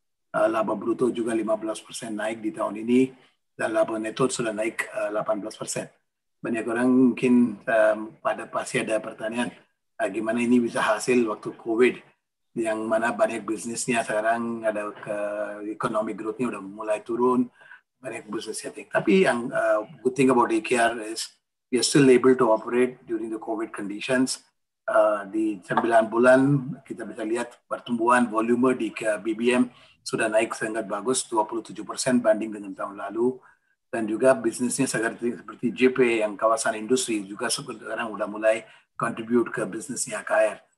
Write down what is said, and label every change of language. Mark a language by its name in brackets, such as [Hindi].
[Indonesian] Laba bruto juga 15% naik di tahun ini, dan laba neto sudah naik 18%. Banyak orang mungkin pada pasti ada pertanyaan, gimana ini bisa hasil waktu COVID, yang mana banyak bisnisnya sekarang ada ke economic growth-nya udah mulai turun, banyak bisnisnya tinggi. Tapi yang [English] good thing about AKR is we are still able to operate during the COVID conditions. [Indonesian] Di 9 bulan kita bisa lihat pertumbuhan volume di BBM sudah naik sangat bagus, 27% banding dengan tahun lalu. Dan juga bisnisnya seperti JP yang kawasan industri juga sekarang sudah mulai contribute ke bisnisnya AKR.